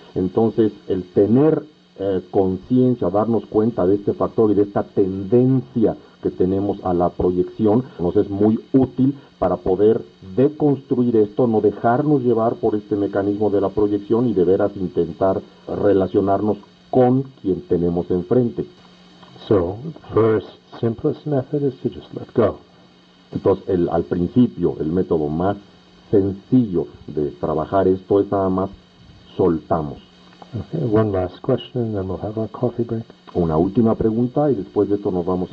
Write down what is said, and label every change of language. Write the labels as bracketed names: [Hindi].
[Spanish] Entonces el tener conciencia, darnos cuenta de este factor y de esta tendencia que tenemos a la proyección, nos es muy útil para poder deconstruir esto, no dejarnos llevar por este mecanismo de la proyección y de veras intentar relacionarnos con quien tenemos enfrente. [English] So, the first simplest method is to just let go. [Spanish] Entonces, al principio, el método más sencillo de trabajar esto es nada más soltamos. [English] Okay, one last question, then we'll have our coffee break. [Spanish] Una última pregunta y después de esto nos vamos